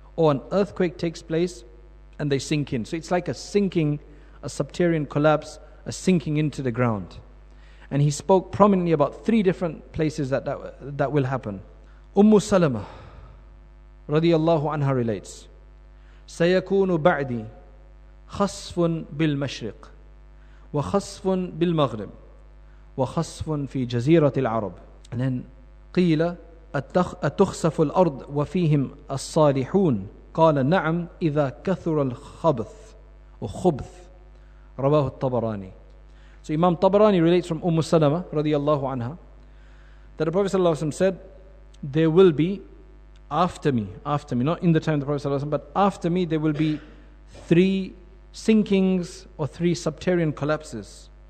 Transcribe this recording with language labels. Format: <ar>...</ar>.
<en>Or an earthquake takes place and they sink in. So it's like a sinking, a subterranean collapse, a sinking into the ground. And he spoke prominently about three different places that will happen. Ummu Salama radiallahu anha relates,</en> <ar>سَيَكُونُ بَعْدِي خصف بالمشرق وخصف بالمغرب وخصف في جزيرة العرب.</ar> <en>And then</en> <ar>قيل أتخسف الأرض وفيهم الصالحون؟ قال نعم إذا كثر الخبث وخبث. رواه الطبراني.</ar> <en>So Imam Tabarani relates from Umm Salama</en> <ar>رضي الله عنها</ar> <en>that the Prophet</en> <ar>صلى الله عليه وسلم</ar> <en>said there will be after me, not in the time of the Prophet صلى الله عليه وسلم, but after me there will be three sinkings or three subterranean collapses.</en>